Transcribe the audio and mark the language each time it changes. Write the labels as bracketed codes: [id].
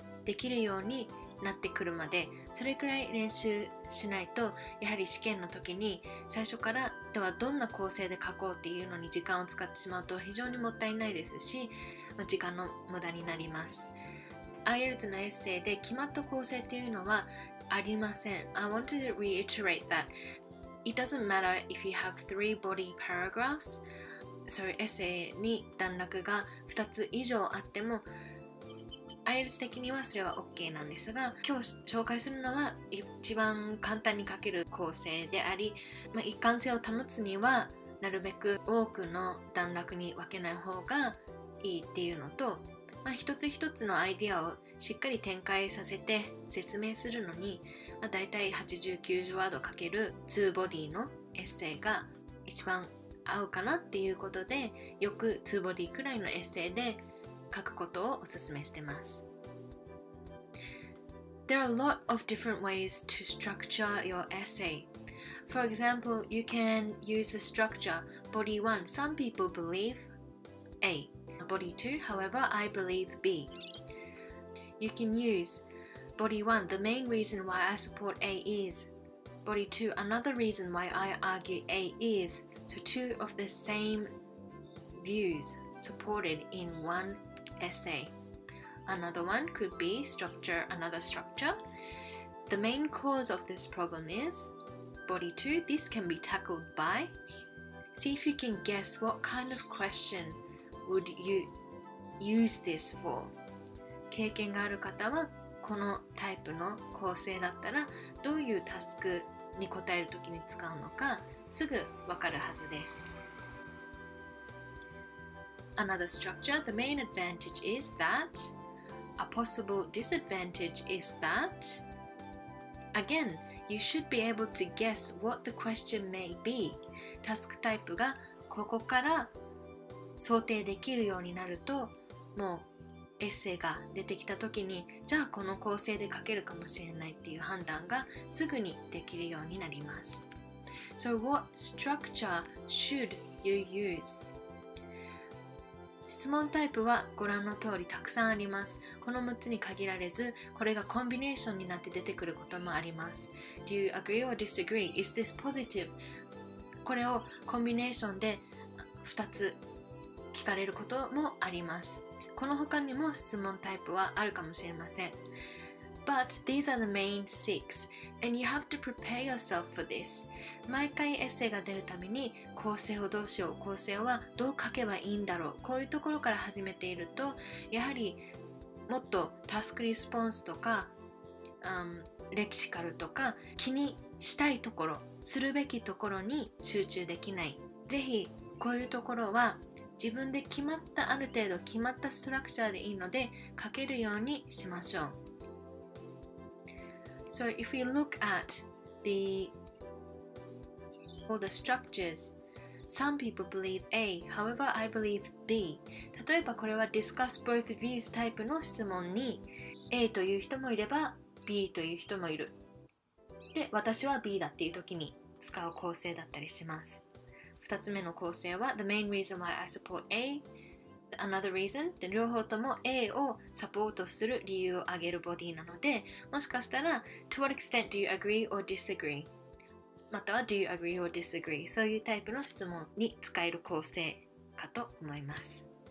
[ja] できるようになってくるまで、それくらい練習しないと、やはり試験の時に最初からではどんな構成で書こうっていうのに時間を使ってしまうと非常にもったいないですし、時間の無駄になります。 IELTS のエッセイで決まった構成というのはありません。 [en] I want to reiterate that it doesn't matter if you have three body paragraphs. [ja] So エッセイに段落が2つ以上あっても IELTS 的にはそれは OK なんですが、今日紹介するのは一番簡単に書ける構成であり、まあ、一貫性を保つにはなるべく多くの段落に分けない方がいいっていうのと、まあ、一つ一つのアイディアをしっかり展開させて説明するのに、まあ、大体80、90ワードかける2ボディのエッセイが一番合うかなっていうことで、よく2ボディくらいのエッセイで書くことをおすすめしてます。 [en] There are a lot of different ways to structure your essay. For example, you can use the structure body 1. Some people believe A. Body 2, however, I believe B. You can use Body 1, the main reason why I support A is. Body 2, another reason why I argue A is. So two of the same views supported in one essay. Another one could be structure, another structure. The main cause of this problem is. Body 2, this can be tackled by. See if you can guess what kind of question. Would you use this for? [ja] 経験がある方はこのタイプの構成だったらどういうタスクに答えるときに使うのかすぐわかるはずです。 [en] Another structure, the main advantage is that. A possible disadvantage is that. Again, you should be able to guess what the question may be. [ja] タスクタイプがここから想定できるようになると、もうエッセイが出てきた時にじゃあこの構成で書けるかもしれないっていう判断がすぐにできるようになります。 [en] So what structure should you use? [ja] 質問タイプはご覧の通りたくさんあります。この6つに限られず、これがコンビネーションになって出てくることもあります。 [en] Do you agree or disagree? Is this positive? [ja] これをコンビネーションで2つ聞かれることもあります。この他にも質問タイプはあるかもしれません。 [en] But these are the main six, and you have to prepare yourself for this. [ja] 毎回エッセイが出るために構成をどうしよう、構成はどう書けばいいんだろう、こういうところから始めていると、やはりもっとタスクリスポンスとか、レキシカルとか気にしたいところ、するべきところに集中できない。ぜひこういうところは自分で決まったある程度決まったストラクチャーでいいので書けるようにしましょう。 [en] So if we look at the all the structures, some people believe A, however I believe B. [ja] 例えばこれは [en] discuss both views [ja] タイプの質問に A という人もいれば B という人もいる。で、私は B だっていう時に使う構成だったりします。 2つ目の構成は [en] The main reason why I support A Another reason [ja] で、両方とも A をサポートする理由を挙げるボディなので、もしかしたら [en] To what extent do you agree or disagree [ja] または [en] Do you agree or disagree [ja] そういうタイプの質問に使える構成かと思います。